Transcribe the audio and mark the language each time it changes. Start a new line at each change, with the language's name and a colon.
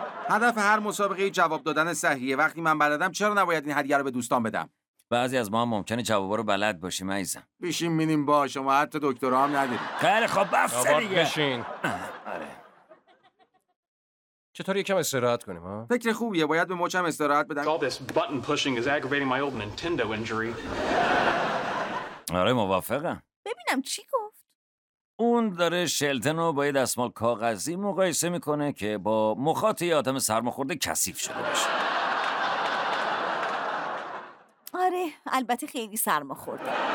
Persian: هدف هر مسابقه جواب دادن صحیحه. وقتی من بلدم چرا نباید این هدیه رو به دوستان بدم؟ بعضی از ما هم ممکنه جوابا رو بلد باشیم عزیزم. بشین مینیم با شما، حتی دکترا هم ندید. خیلی خب بس دیگه. بشین. آره. چطور یکم استراحت کنیم ها؟ فکر خوبیه، باید به مچم استراحت بدم.
English: All this button pushing is aggravating my old Nintendo injury.
Persian: آره موافقم. ببینم چی گفت. اون داره شلتن رو با یه دستمال کاغذی مقایسه میکنه که با مخاط یه آدم سرماخورده کثیف شده باشه. آره، البته خیلی سرماخورده.